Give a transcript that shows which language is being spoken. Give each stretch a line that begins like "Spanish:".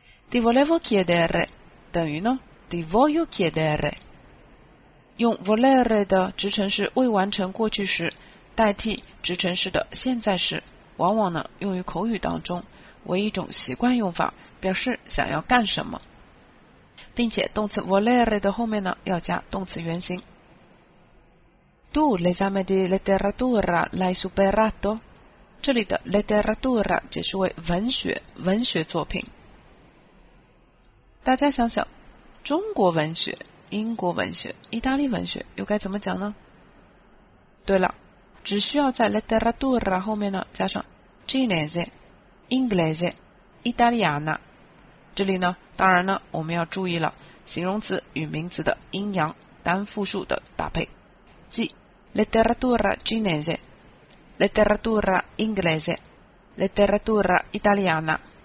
Chinese: ti volevo chiedere 等于呢 ti voglio chiedere，用 volere 的直陈式未完成过去时代替直陈式的现在时，往往呢用于口语当中为一种习惯用法，表示想要干什么，并且动词 volere 的后面呢要加动词原形。
Italian: Tu l'esame di letteratura l'hai superato，
Chinese: 这里的 letteratura 解释为文学，文学作品。大家想想，中国文学、英国文学、意大利文学又该怎么讲呢？对了，只需要在 letteratura 后面呢加上 cinese、 inglese、 italiana。这里呢当然呢我们要注意了形容词与名词的阴阳单复数的搭配，即 letteratura cinese、 letteratura inglese、 letteratura italiana。